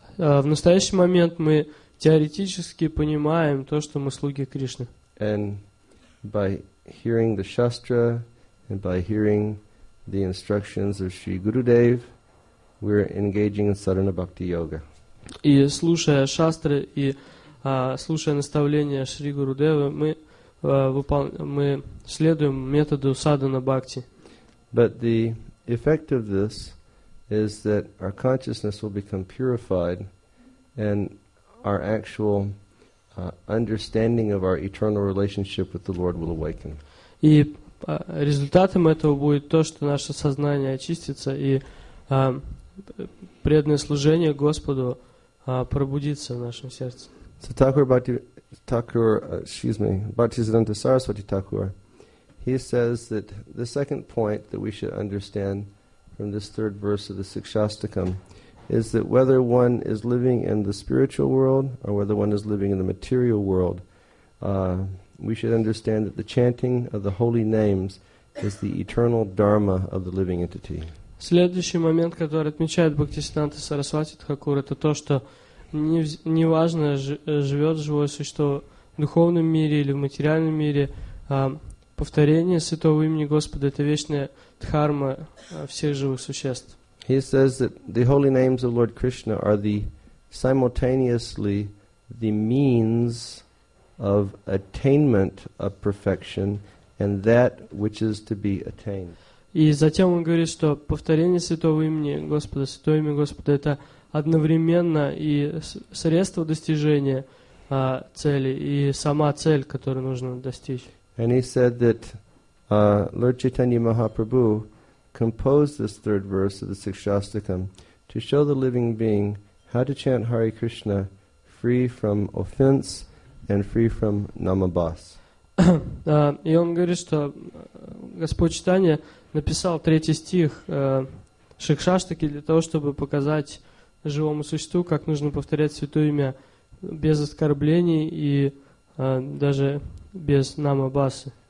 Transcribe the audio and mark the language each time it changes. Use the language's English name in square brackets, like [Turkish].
[Russian] В настоящий момент мы теоретически понимаем то, что мы слуги Кришны. [English] And by hearing the Shastra and by hearing the instructions of Sri Gurudev, we're engaging in sadhana bhakti yoga. [Russian] И слушая Шастры и слушая наставления Шри Гурудевы, мы следуем методу садхана бхакти. [English] But the effect of this is that our consciousness will become purified and our actual understanding of our eternal relationship with the Lord will awaken. [Russian] И результатом этого будет то, что наше сознание очистится и преданное служение Господу пробудится в нашем сердце. [English] So Bhaktisiddhanta Saraswati Thakur, he says that the second point that we should understand from this third verse of the Sikshastakam is that whether one is living in the spiritual world or whether one is living in the material world, we should understand that the chanting of the holy names is the eternal dharma of the living entity. [Russian] Следующий момент, который отмечает Бхактисиддханта Сарасвати Тхакур, это то, что неважно, живет живое существо в духовном мире или в материальном мире, повторение святого имени Господа — это вечная дхарма всех живых существ. [English] He says that the holy names of Lord Krishna are the simultaneously the means of attainment of perfection and that which is to be attained. [Russian] И затем он говорит, что повторение святого имени Господа, святое имя Господа — это одновременно и средство достижения цели, и сама цель, которую нужно достичь. [English] And he said that Lord Chaitanya Mahaprabhu composed this third verse of the Sikshastakam to show the living being how to chant Hare Krishna free from offense and free from namabhas. [Russian] И он говорит, что Господь Чайтанья написал третий стих Сикшастаки для того, чтобы показать живому существу, как нужно повторять святое имя без оскорблений и даже без намабасы.